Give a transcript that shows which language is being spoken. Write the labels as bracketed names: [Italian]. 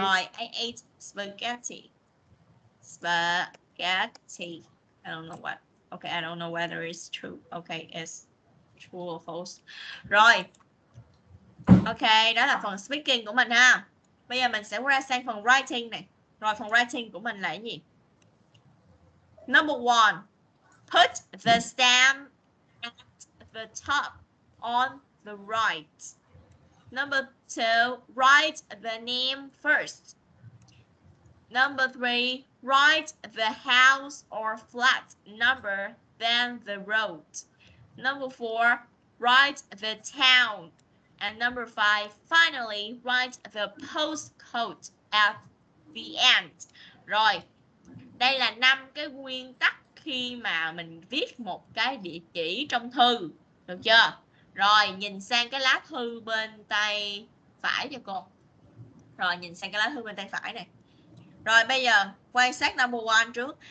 [English] Rồi, I ate spaghetti. Spaghetti. I don't know what. Okay, I don't know whether it's true. Okay, it's true or false. Rồi. [Vietnamese] Okay, đó là phần speaking của mình ha. Bây giờ mình sẽ qua sang phần writing này. Rồi, phần writing của mình là cái gì? [English] Number one, put the stamp the top on the right. Number two, write the name first. Number three, write the house or flat number, then the road. Number four, write the town. And number five, finally, write the postcode at the end. [Vietnamese] Rồi, đây là năm cái nguyên tắc khi mà mình viết một cái địa chỉ trong thư. Được chưa? Rồi, nhìn sang cái lá thư bên tay phải cho cô. Rồi, nhìn sang cái lá thư bên tay phải này. Rồi, bây giờ quan sát number one trước.